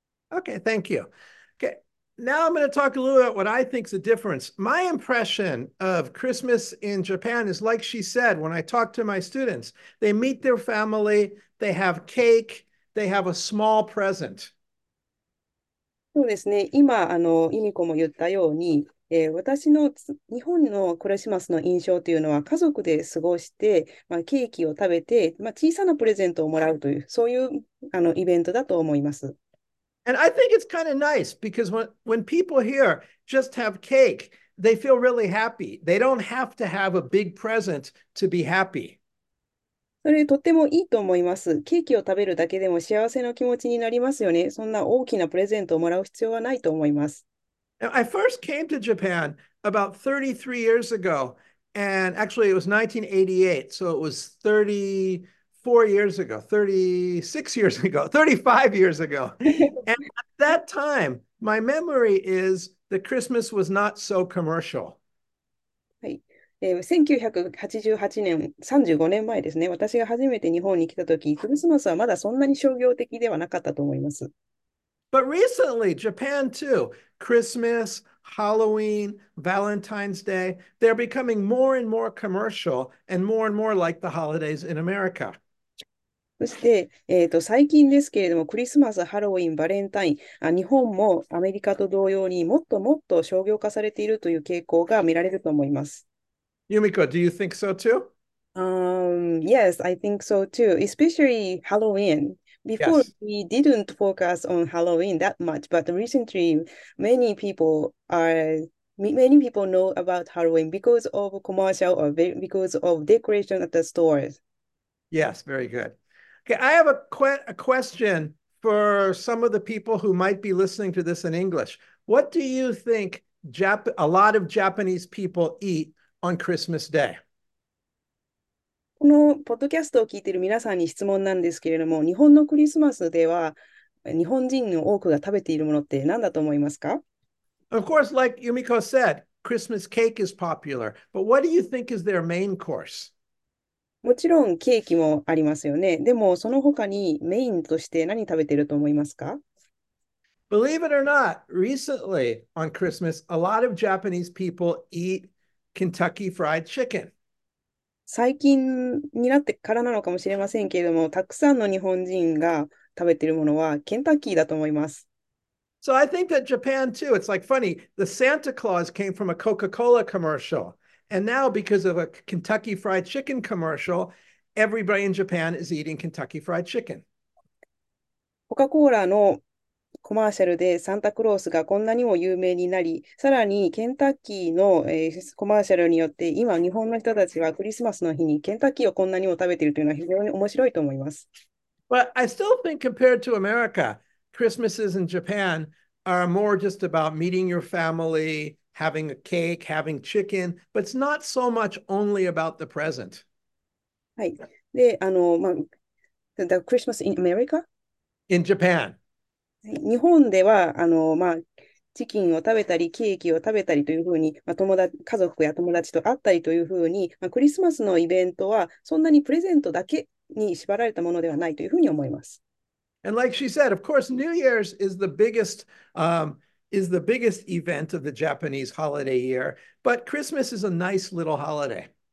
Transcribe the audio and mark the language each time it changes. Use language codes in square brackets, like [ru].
[en] Okay, thank you. Okay, now I'm going to talk a little about what I think is the difference. My impression of Christmas in Japan is like she said, when I talk to my students, they meet their family, they have cake, they have a small present. [ja] そうですね、今、由美子も言ったように、私の日本のクリスマスの印象というのは、家族で過ごして、ケーキを食べて、小さなプレゼントをもらうという、そういうイベントだと思います。 [en] And I think it's kind of nice because when people here just have cake, they feel really happy. They don't have to have a big present to be happy. [ja] それとてもいいと思います。ケーキを食べるだけでも幸せな気持ちになりますよね。そんな大きなプレゼントをもらう必要はないと思います。 [en] Now, I first came to Japan about 33 years ago, and actually it was 1988, so it was 34 years ago, 36 years ago, 35 years ago. And at that time, my memory is that Christmas was not so commercial. [ja] 1988年、35年前ですね、私が初めて日本に来たとき、クリスマスはまだそんなに商業的ではなかったと思います。 [en] But recently, Japan too, Christmas, Halloween, Valentine's Day, they're becoming more and more commercial and more like the holidays in America. [ja] そして、最近ですけれども、クリスマス、ハロウィン、バレンタイン、日本もアメリカと同様にもっともっと商業化されているという傾向が見られると思います。 [en] Yumiko, do you think so too? Yes, I think so too, especially Halloween. Before, Yes. we didn't focus on Halloween that much, but recently, many people know about Halloween because of commercial or because of decoration at the stores. Yes, very good. Okay, I have a question for some of the people who might be listening to this in English. What do you think a lot of Japanese people eat on Christmas Day? [ja] このポッドキャストを聞いている皆さんに質問なんですけれども、日本のクリスマスでは日本人の多くが食べているものって何だと思いますか？ [en] Of course, like Yumiko said, Christmas cake is popular, but what do you think is their main course? [ja] もちろんケーキもありますよね。でもその他にメインとして何食べていると思いますか？ [en] Believe it or not, recently on Christmas, a lot of Japanese people eat Kentucky Fried Chicken. [ja] 最近になってからなのかもしれませんけれども、たくさんの日本人が食べているものはケンタッキーだと思います。 [en] So I think that Japan too, it's like funny, the Santa Claus came from a Coca-Cola commercial. And now, because of a Kentucky Fried Chicken commercial, everybody in Japan is eating Kentucky Fried Chicken. [ja] コカ・コーラのコマーシャルでサンタクロースがこんなにも有名になり、さらにケンタッキーの、コマーシャルによって、今、日本の人たちはクリスマスの日にケンタッキーをこんなにも食べているというのは非常に面白いと思います。 [en] But I still think compared to America, Christmases in Japan are more just about meeting your family, having a cake, having chicken, but it's not so much only about the present. [ja] はい。で、 [en] The Christmas in America? In Japan. [ja] 日本では、チキンを食べたり、ケーキを食べたりというふうに、家族や友達と会ったりというふうに、クリスマスのイベントは、そんなにプレゼントだけに縛られたものではないというふうに思います。 [en] And like she said, of course, New Year's is the biggest event of the Japanese holiday year, but Christmas is a nice little holiday.